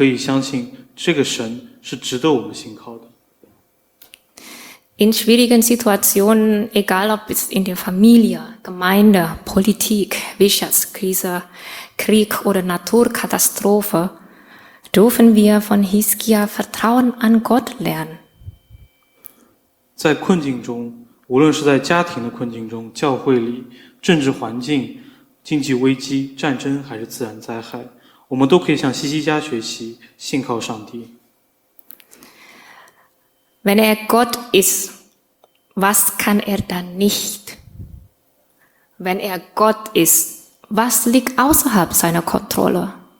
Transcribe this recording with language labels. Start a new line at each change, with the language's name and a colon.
Chinese: 那作为我们，作为整个教会，我们可以相信这个神是值得我们信靠的。
German: In schwierigen Situationen, egal ob es in der Familie, Gemeinde, Politik, Wirtschaftskrise, Krieg oder Naturkatastrophe, dürfen wir von Hiskia Vertrauen an Gott lernen.
Chinese: 在困境中, 无论是在家庭的困境中, 教会里, 政治环境, 经济危机, 战争, 还是自然灾害, 我们都可以向西西家学习, 信靠上帝。
German: Wenn er Gott ist, was kann er dann nicht? Wenn er Gott ist, was liegt außerhalb seiner Kontrolle?